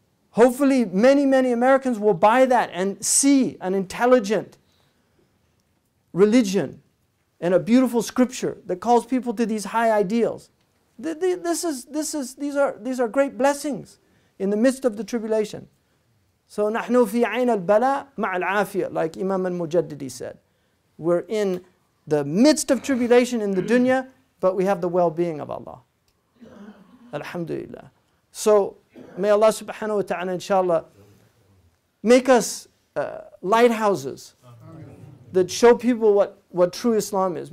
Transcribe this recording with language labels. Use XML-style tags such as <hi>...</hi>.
<en>Hopefully many, many Americans will buy that and see an intelligent religion and a beautiful scripture that calls people to these high ideals. These are great blessings in the midst of the tribulation. So</en> <ar>نَحْنُ فِي عَيْنَ الْبَلَىٰ مَعَ الْعَافِيَةِ,</ar> <en>like Imam al-Mujaddidi said. We're in the midst of tribulation in the dunya, but we have the well-being of Allah. Alhamdulillah. So may Allah subhanahu wa ta'ala inshallah make us lighthouses that show people what true Islam is.</en>